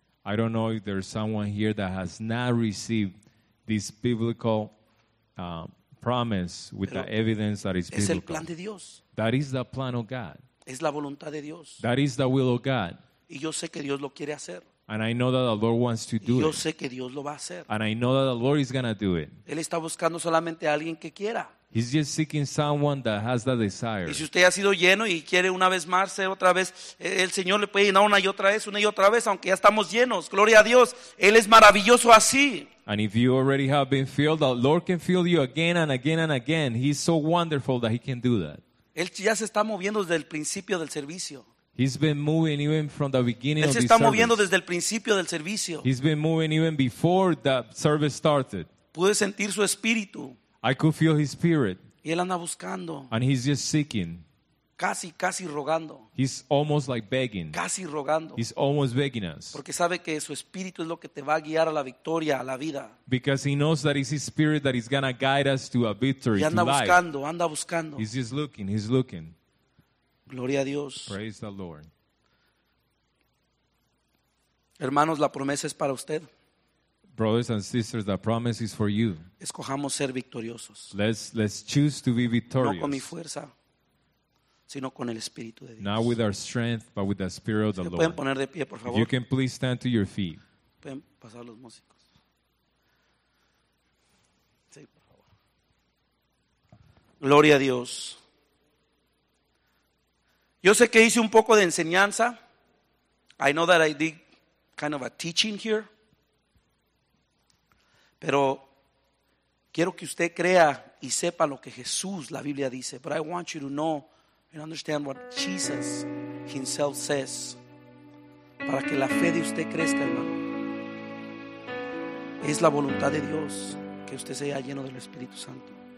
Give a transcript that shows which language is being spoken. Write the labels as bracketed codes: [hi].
[en] I don't know if there's someone here that has not received this biblical promise with [es] Pero [en] the evidence that is biblical. [es] Es el plan de Dios. [en] That is the plan of God. [es] Es la voluntad de Dios. [en] That is the will of God. [es] Y yo sé que Dios lo quiere hacer. [en] And I know that the Lord wants to do [es] y yo [en] it. [es] Sé que Dios lo va a hacer. [en] And I know that the Lord is going to do it. [es] Él está buscando solamente a alguien que quiera. [en] He's just seeking someone that has that desire. [es] Y si usted ha sido lleno y quiere una vez más ser otra vez, el Señor le puede llenar una y otra vez, aunque ya estamos llenos. Gloria a Dios. Él es maravilloso así. [en] And if you already have been filled, the Lord can fill you again and again and again. He's so wonderful that he can do that. [es] Él ya se está moviendo desde el principio del servicio. [en] He's been moving even from the beginning of the service. [es] Él se está moviendo desde el principio del servicio. [en] He's been moving even before the service started. [es] Pude sentir su espíritu. [en] I could feel his spirit. [es] Y él anda buscando. [en] And he's just seeking. [es] Casi, casi rogando. [en] He's almost like begging. [es] Casi rogando. [en] He's almost begging us. [es] Porque sabe que su espíritu es lo que te va a guiar a la victoria, a la vida. [en] Because he knows that it's his spirit that is going to guide us to a victory, [es] y anda [en] to [es] buscando, [en] life. [es] Anda buscando. [en] He's just looking, he's looking. [es] Gloria a Dios. [en] Praise the Lord. [es] Hermanos, la promesa es para usted. [en] Brothers and sisters, the promise is for you. [es] Escojamos ser victoriosos. [en] Let's choose to be victorious. [es] No con mi fuerza, sino con el Espíritu de Dios. [en] Not with our strength, but with the Spirit of the Lord. [es] ¿Se pueden poner de pie, por favor? [en] If you can please stand to your feet. [es] Pueden pasar los músicos. Sí, por favor. Gloria a Dios. Yo sé que hice un poco de enseñanza. [en] I know that I did kind of a teaching here. [es] Pero quiero que usted crea y sepa lo que Jesús, la Biblia dice. [en] But I want you to know and understand what Jesus himself says. [es] Para que la fe de usted crezca, hermano. Es la voluntad de Dios que usted sea lleno del Espíritu Santo.